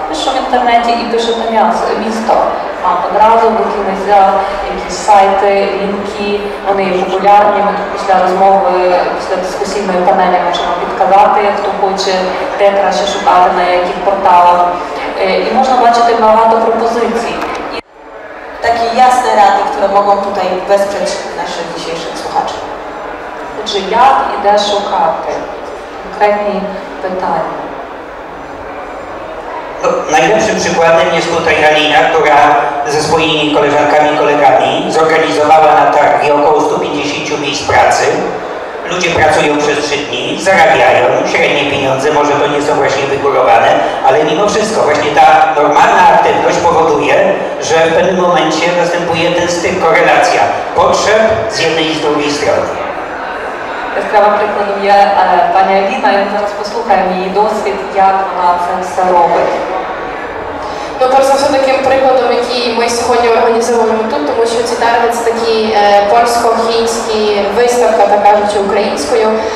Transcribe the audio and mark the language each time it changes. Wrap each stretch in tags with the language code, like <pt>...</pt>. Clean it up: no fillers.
<uk>Пишу в інтернеті і пишу там місто. А одразу викинеться якісь сайти, лінки, вони є популярні. Ми після розмови, після дискусійної панелі можемо підказати, хто хоче, де краще шукати, на яких порталах. І можна бачити багато пропозицій.</uk> <pl>Takie jasne rady, które mogą tutaj wesprzeć naszych dzisiejszych słuchaczy. Czy jak idę szukać? Konkretnie pytanie. No, najlepszym przykładem jest tutaj Halina, która ze swoimi koleżankami i kolegami zorganizowała na targi około 150 miejsc pracy. Ludzie pracują przez 3 dni, zarabiają średnie pieniądze, może to nie są właśnie wygórowane, ale mimo wszystko właśnie ta normalna aktywność powoduje, że w pewnym momencie następuje ten styk, korelacja potrzeb z jednej i z drugiej strony. Sprawa proponuje pani Elina, ja teraz posłucham jej doświad, jak ona ten se robi.</pl> <uk>Ну, перш за все, таким прикладом, який ми сьогодні організовуємо тут, тому що ці тарги – це такі польсько-хінські виставки, так кажучи, українською.</uk>